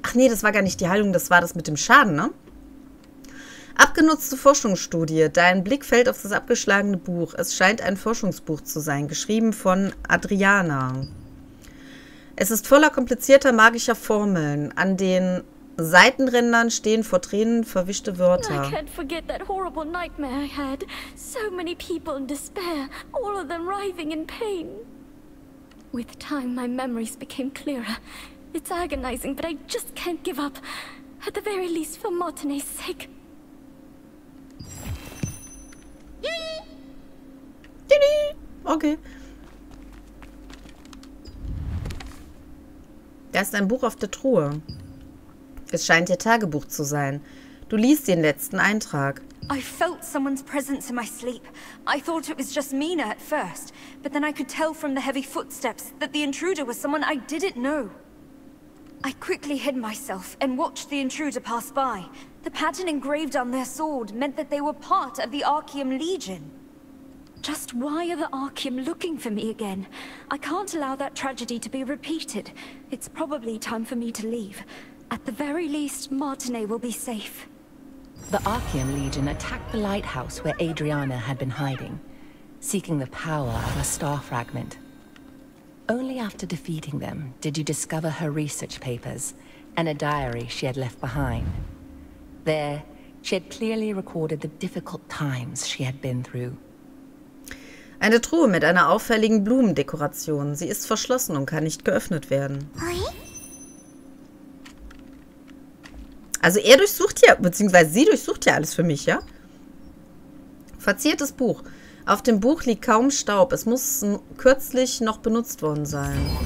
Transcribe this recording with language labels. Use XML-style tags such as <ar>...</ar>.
<de>Ach nee, das war gar nicht die Heilung, das war das mit dem Schaden, ne? Abgenutzte Forschungsstudie. Dein Blick fällt auf das abgeschlagene Buch. Es scheint ein Forschungsbuch zu sein, geschrieben von Adriana. Es ist voller komplizierter magischer Formeln. An den Seitenrändern stehen vor Tränen verwischte Wörter.</de> <en>I can't forget that horrible nightmare I had. So many people in despair, all of them writhing in pain. With time my memories became clearer. It's agonizing, but I just can't give up. At the very least for Martinez's sake. Didi. Okay.</en> <de>Da ist ein Buch auf der Truhe. Es scheint ihr Tagebuch zu sein. Du liest den letzten Eintrag.</de> <en>I felt someone's presence in my sleep. I thought it was just Mina at first, but then I could tell from the heavy footsteps that the intruder was someone I didn't know. I quickly hid myself and watched the intruder pass by. The pattern engraved on their sword meant that they were part of the Archaeum Legion. Just why are the Archaeum looking for me again? I can't allow that tragedy to be repeated. It's probably time for me to leave. At the very least, Martinet will be safe. The Archaeum Legion attacked the lighthouse where Adriana had been hiding, seeking the power of a star fragment. Only after defeating them did you discover her research papers and a diary she had left behind. There, she had clearly recorded the difficult times she had been through.</en> <de>Eine Truhe mit einer auffälligen Blumendekoration. Sie ist verschlossen und kann nicht geöffnet werden. Also er durchsucht hier, beziehungsweise sie durchsucht hier alles für mich, ja? Verziertes Buch. Auf dem Buch liegt kaum Staub. Es muss kürzlich noch benutzt worden sein.</de>